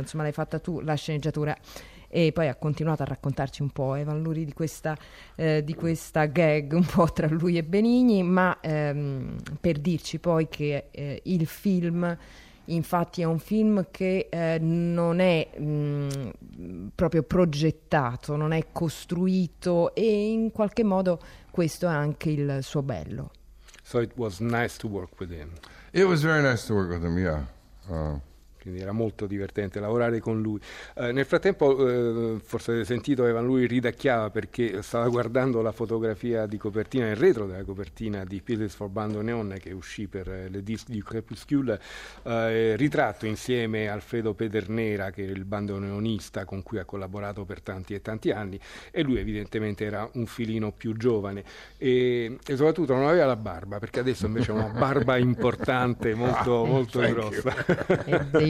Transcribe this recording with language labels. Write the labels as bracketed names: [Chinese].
[Italian] Insomma, l'hai fatta tu la sceneggiatura. E poi ha continuato a raccontarci un po', Evan Luri, di questa gag un po' tra lui e Benigni, ma per dirci poi che il film, infatti, è un film che non è proprio progettato, non è costruito, e in qualche modo questo è anche il suo bello. [English] So it was nice to work with him. It was very nice to work with him, yeah. [Italian] Quindi era molto divertente lavorare con lui. Nel frattempo, forse avete sentito, Evan lui ridacchiava perché stava guardando la fotografia di copertina, il retro della copertina di Pieces for Bandoneon, che uscì per Le Disques du Crépuscule, ritratto insieme a Alfredo Pedernera, che è il bandoneonista con cui ha collaborato per tanti e tanti anni, e lui evidentemente era un filino più giovane e soprattutto non aveva la barba, perché adesso invece ha una barba importante, molto, molto grossa.